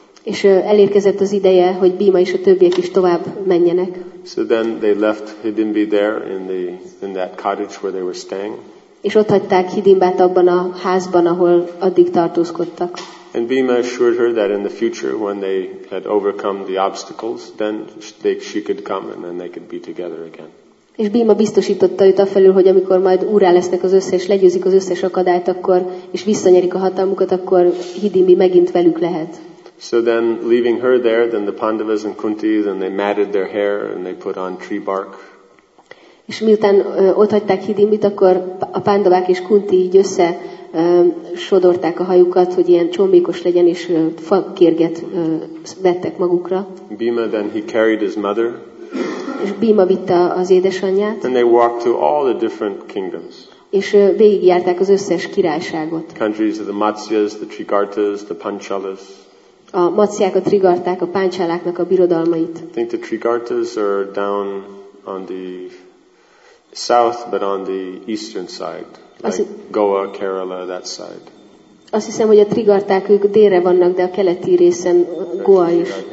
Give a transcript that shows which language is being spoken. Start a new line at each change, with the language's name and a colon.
Hungarian: És elérkezett az ideje, hogy Bhima és a többiek is tovább menjenek.
English: So then they left Hidimbi there in that cottage where they were staying.
Hungarian: És ott hagyták Hidimbát abban a házban, ahol addig tartózkodtak.
English: And Bhima assured her that in the future, when they had overcome the obstacles, then she could come and then they could be together again.
Hungarian: És Bhima biztosította őt afelől, hogy amikor majd úrrá lesznek az összes, legyőzik az összes akadályt, akkor, és visszanyerik a hatalmukat, akkor Hidimbi megint velük lehet.
English: So then, leaving her there, then the Pandavas and Kunti, then they matted their hair and they put on tree bark.
Hungarian: És miután ott hagyták Hidimbit, akkor a Pandavák és Kunti így összesodorták a hajukat, hogy ilyen csombékos legyen, és fakérget vettek magukra.
English: Bhima, then he carried his mother.
Hungarian: És Bhima vitte az édesanyját.
English: And they walked to all the different kingdoms.
Hungarian: És végigjárták az összes királyságot.
English: Countries of the Matsyas, the Trigartas, the Panchalas.
Hungarian: A Matsyák, a Trigarták, a Panchaláknak a birodalmait.
English: I think the Trigartas are down on the south, but on the eastern side, like Goa, Kerala, that side.
Hungarian: Azt hiszem, hogy a Trigarták ők délre vannak, de a keleti részen Goa is.